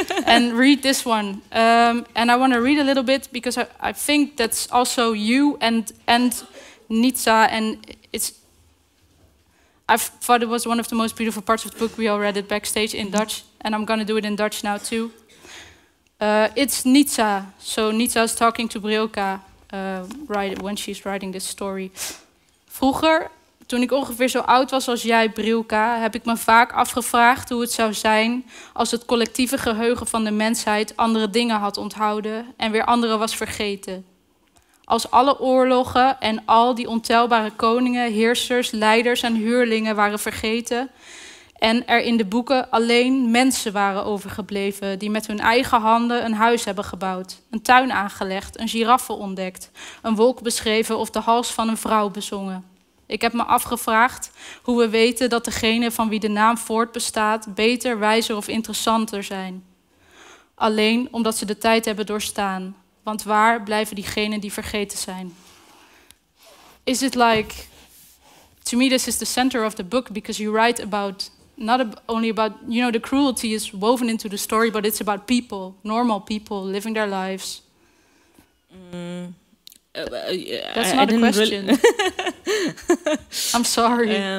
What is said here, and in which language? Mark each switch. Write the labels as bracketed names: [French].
[English] And read this one. And I want to read a little bit, because I think that's also you and Nitsa, and it's... I thought it was one of the most beautiful parts of the book. We all read it backstage in Dutch, and I'm gonna do it in Dutch now too. It's Nitsa, so Nitsa is talking to Brioka when she's writing this story. [Dutch] Vroeger, toen ik ongeveer zo oud was als jij, Brioka, heb ik me vaak afgevraagd hoe het zou zijn als het collectieve geheugen van de mensheid andere dingen had onthouden en weer andere was vergeten. Als alle oorlogen en al die ontelbare koningen, heersers, leiders en huurlingen waren vergeten en er in de boeken alleen mensen waren overgebleven die met hun eigen handen een huis hebben gebouwd, een tuin aangelegd, een giraffe ontdekt, een wolk beschreven of de hals van een vrouw bezongen. Ik heb me afgevraagd hoe we weten dat degene van wie de naam voortbestaat beter, wijzer of interessanter zijn. Alleen omdat ze de tijd hebben doorstaan. Want waar blijven diegenen die vergeten zijn? [English] Is it like... To me, this is the center of the book, because you write about, not only about, you know, the cruelty is woven into the story, but it's about people, normal people, living their lives. That's not a question. Really. I'm sorry.